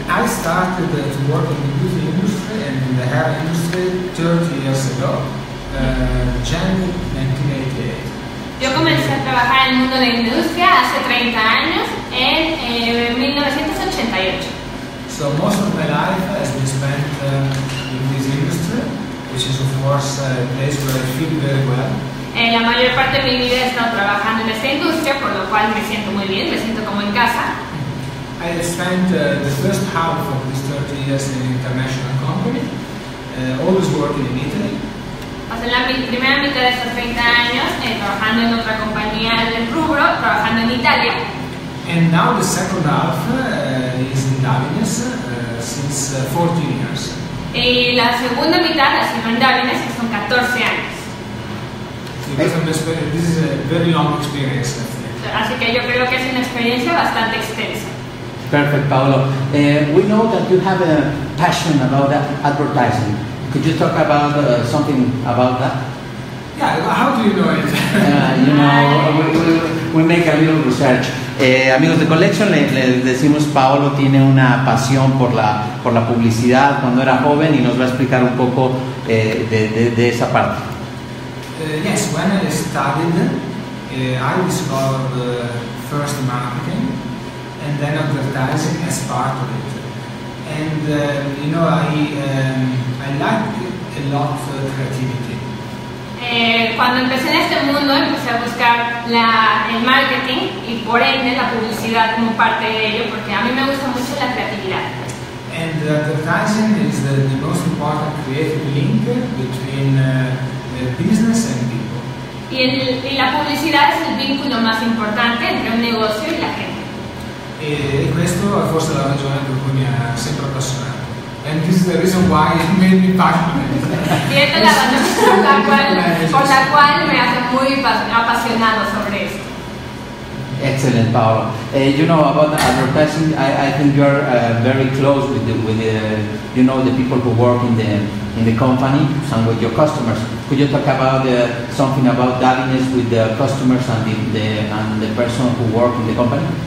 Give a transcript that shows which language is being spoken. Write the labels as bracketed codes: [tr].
[en] I started to work in the beauty industry and in the hair industry 30 years ago, January 1988. [es] Yo comencé a trabajar en el mundo de la industria hace 30 años, en 1988. [en] So most of my life has been spent in this industry, which is of course a place where I feel very well. [es] La mayor parte de mi vida he estado trabajando en esta industria, por lo cual me siento muy bien, me siento como en casa. [en] I spent the first half of these 30 years in an international company, always working in Italy. [es] Pasé la primera mitad de estos 30 años trabajando en otra compañía del rubro, trabajando en Italia. [en] And now the second half is in Davines since 14 years. [es] Y la segunda mitad ha sido en Davines, que son 14 años. [en] This is a very long experience, I think. [es] Así que yo creo que es una experiencia bastante extensa. [en] Perfect, Paolo. We know that you have a passion about that advertising. Could you talk about something about that? Yeah, how do you know it? we make a little research. [es] Amigos de Collection, les decimos, Paolo tiene una pasión por la publicidad cuando era joven y nos va a explicar un poco de esa parte. [en] Yes, when I studied, I discovered first marketing and then advertising as part of it. And you know, I like a lot of creativity. [es] Cuando empecé en este mundo, empecé a buscar el marketing y por ende la publicidad como parte de ello, porque a mí me gusta mucho la creatividad. [en] And advertising is the most important creative link between the business and people. [es] Y la publicidad es el vínculo más importante entre un negocio y la gente. [it] E questo è forse la ragione per cui mi ha sempre appassionato. [en] And this is the reason why it made me passionate. [it] Questa è la ragione per la quale mi ha molto appassionato [es] sobre [it] questo. [en] Excellent, Paolo. You know about advertising. I think you're very close with the people who work in the company and with your customers. Could you talk about something about Davines with the customers and the person who work in the company?